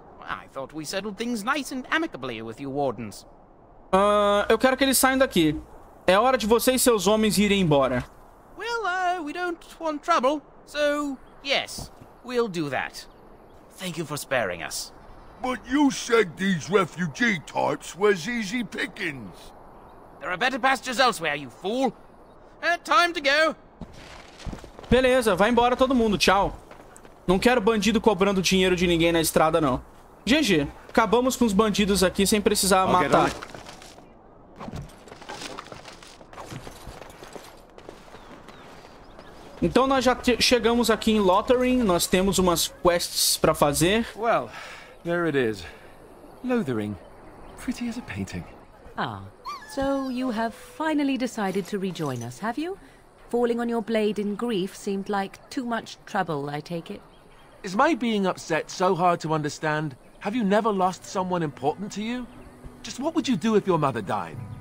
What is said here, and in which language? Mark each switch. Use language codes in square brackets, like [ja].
[en] I thought we settled things nice and amicably with you wardens. [pt] Eu quero que eles saiam daqui. É hora de vocês e seus homens irem embora. [en] Well, we don't want trouble. So, yes, we'll do that. Thank you for sparing us. But you said these refugee types was easy pickings. There are better pastures elsewhere, you fool. Time to go. [pt] Beleza, vai embora todo mundo, tchau. Não quero bandido cobrando dinheiro de ninguém na estrada, não. GG, acabamos com os bandidos aqui sem precisar matar. Então nós já chegamos aqui em Lothering, nós temos umas quests para fazer. [en] Well, there it is. Lothering, pretty as a painting. Ah, so you have finally decided to rejoin us, have you? Falling on your blade in grief seemed like too much trouble, I take it. Is my being upset so hard to understand? Have you never lost someone important to you? Just what would you do if your mother died?